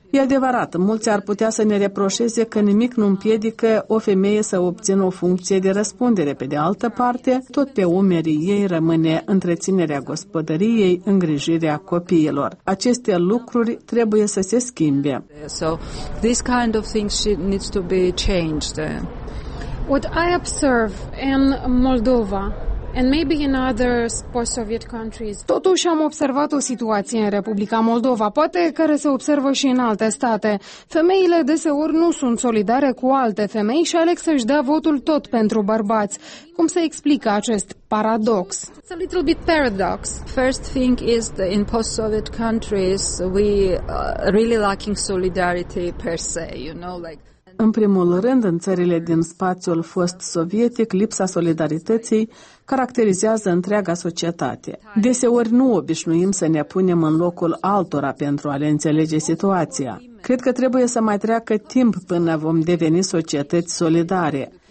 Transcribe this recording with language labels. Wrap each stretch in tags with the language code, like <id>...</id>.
<ro>E adevărat, mulți ar putea să ne reproșeze că nimic nu împiedică o femeie să obțină o funcție de răspundere. Pe de altă parte, tot pe umerii ei rămâne întreținerea gospodăriei, îngrijirea copiilor. Aceste lucruri trebuie să se schimbe.</ro> <en>So, this kind of thing needs to be changed. What I observe in Moldova and maybe in other post-Soviet countries.</en> <ro>Totuși am observat o situație în Republica Moldova, poate care se observă și în alte state. Femeile deseori nu sunt solidare cu alte femei și aleg să-și dea votul tot pentru bărbați. Cum se explică acest paradox?</ro> <en>It's a little bit paradox. First thing is that in post-Soviet countries we really lacking solidarity per se, you know, like.</en> <ro>În primul rând, în țările din spațiul post-sovietic, lipsa solidarității caracterizează întreaga societate. Deseori nu obișnuim să ne punem în locul altora pentru a le înțelege situația. Cred că trebuie să mai treacă timp până vom deveni societăți solidare.</ro>